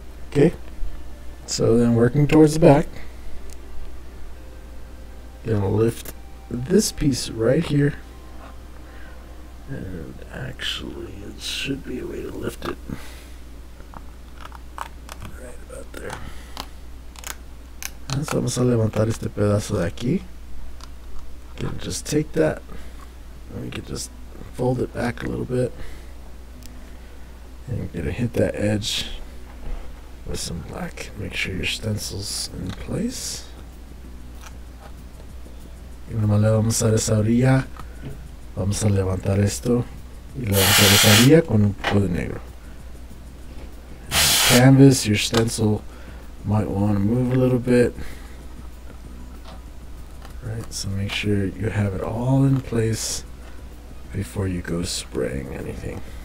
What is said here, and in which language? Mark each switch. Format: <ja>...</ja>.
<en>Okay, so then working towards the back, gonna lift this piece right here, and actually it should be a way to lift it right about there.</en> <es>So vamos a levantar este pedazo de aquí.</es> <en>You can just take that and we can just fold it back a little bit and you're gonna hit that edge with some black. Make sure your stencil's in place.</en> <es>Y nomás le vamos a dar esa orilla. Vamos a levantar esto Y luego se rezaría con un poco de negro.</es> <en>Canvas, your stencil might want to move a little bit. Right, so make sure you have it all in place before you go spraying anything.</en>